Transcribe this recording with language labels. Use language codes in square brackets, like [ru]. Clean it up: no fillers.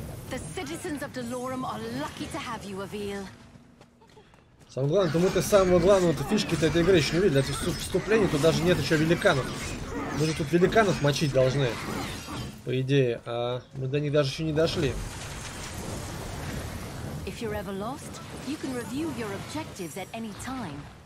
[en] The citizens of Delorum are lucky to have you, Avil. [ru] Самое главное, то мы-то самого главного фишки-то этой игры еще не видели. Это вступление, тут даже нет еще великанов. Мы же тут великанов мочить должны. По идее, а мы до них даже еще не дошли. [en] If you're ever lost, you can review your objectives at any time.